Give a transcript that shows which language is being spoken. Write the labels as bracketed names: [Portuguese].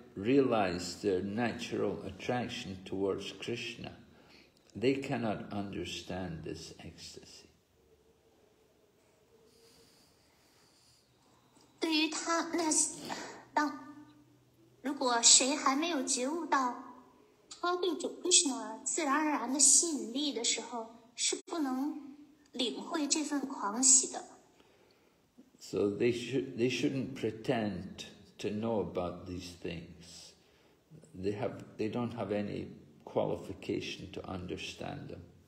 [English] realize their natural attraction towards Krishna, they cannot understand this ecstasy. [Chinese] 对于他，那当如果谁还没有觉悟到超越主Krishna自然而然的吸引力的时候，是不能领会这份狂喜的。 [English] So they shouldn't pretend to know about these things. They don't have any qualification to understand them.